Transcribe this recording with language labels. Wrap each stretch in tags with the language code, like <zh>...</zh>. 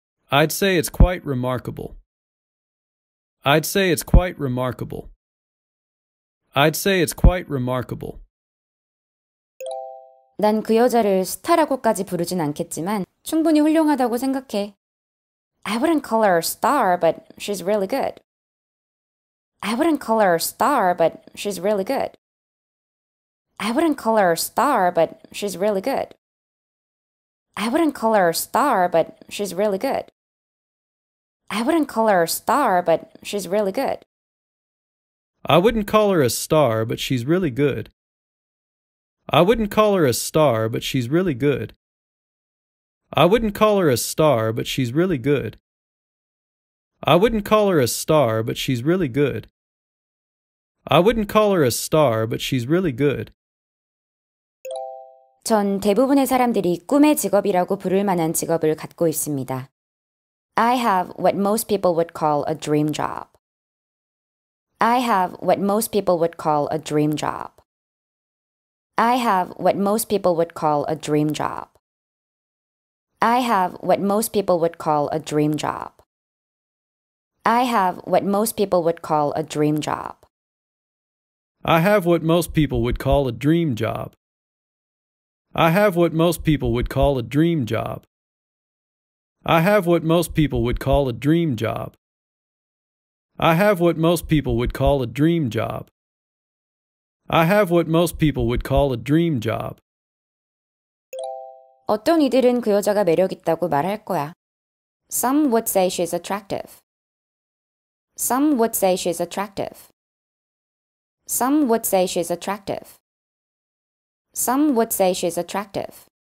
<en>I'd say it's quite remarkable. I'd say it's quite remarkable. I'd say it's quite remarkable.</en> <ko>난 그 여자를 스타라고까지 부르진 않겠지만 충분히 훌륭하다고 생각해.</ko> <en>I wouldn't call her a star, but she's really good. I wouldn't call her a star, but she's really good. I wouldn't call her a star, but she's really good. I wouldn't call her a star, but she's really good. I wouldn't call her a star, but she's really good. I wouldn't call her a star, but she's really good. I wouldn't call her a star, but she's really good. I wouldn't call her a star, but she's really good. I wouldn't call her a star, but she's really good. I wouldn't call her a star, but she's really good.</en> <ko>전 대부분의 사람들이 꿈의 직업이라고 부를 만한 직업을 갖고 있습니다.</ko> <en>I have what most people would call a dream job. I have what most people would call a dream job. I have what most people would call a dream job. I have what most people would call a dream job. I have what most people would call a dream job. I have what most people would call a dream job. I have what most people would call a dream job. I have what most people would call a dream job. I have what most people would call a dream job. I have what most people would call a dream job.</en> <ko>어떤 이들은 그 여자가 매력 있다고 말할 거야.</ko> <en>Some would say she's attractive. Some would say she's attractive. Some would say she's attractive. Some would say she's attractive.</en>